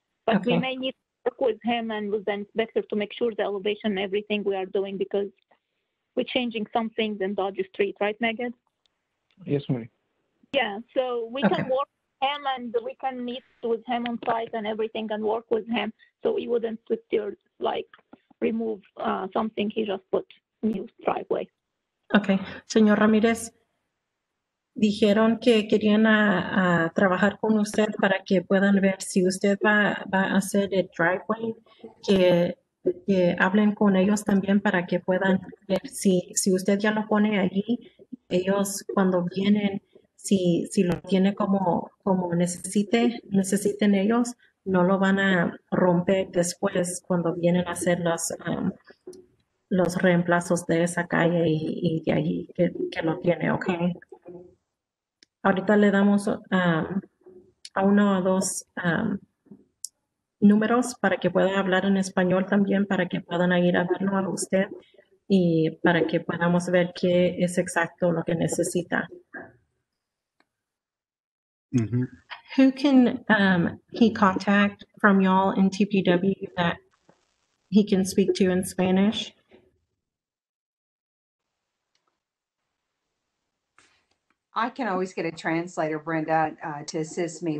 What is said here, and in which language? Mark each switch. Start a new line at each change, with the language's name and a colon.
English: But okay. We may need to work with him and with the inspector to make sure the elevation and everything we are doing, because we're changing some things in Dodge Street, right, Megan? Yes, ma'am. Yeah, so we okay. Can work with him and we can meet with him on site and everything and work with him so we wouldn't just like remove something he just put new driveway.
Spanish: Okay, Señor Ramírez. Dijeron que querían a trabajar con usted para que puedan ver si usted va a hacer el driveway, que hablen con ellos también para que puedan ver si usted ya lo pone allí, ellos cuando vienen, si lo tiene como necesiten ellos, no lo van a romper después cuando vienen a hacer los reemplazos de esa calle y de allí que lo tiene, ¿ok? Ahorita le damos a uno o dos números para que pueda hablar en español también, para que puedan ir a verlo a usted y para que podamos ver qué es exacto lo que necesita. Mm-hmm.
English: Who can he contact from y'all in TPW that he can speak to in Spanish? I can always get a translator, Brenda, to assist me.